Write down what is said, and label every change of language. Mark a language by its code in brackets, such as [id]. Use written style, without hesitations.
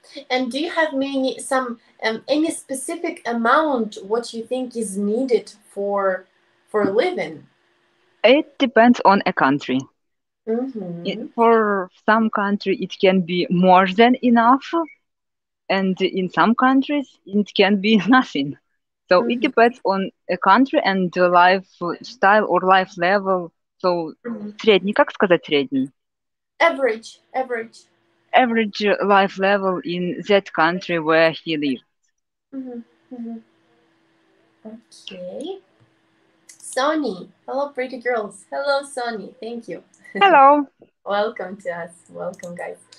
[en] And do you have maybe some any specific amount what you think is needed for living? It depends on a country. For some country, it can be more than enough, and in some countries, it can be nothing. So it depends on a country and the lifestyle or life level. [ru] So средний, как сказать средний? [en] Average, average. Average life level in that country where he lives. Okay. Sonny, hello, pretty girls. Hello, Sonny. Thank you. Hello. Welcome to us. Welcome, guys.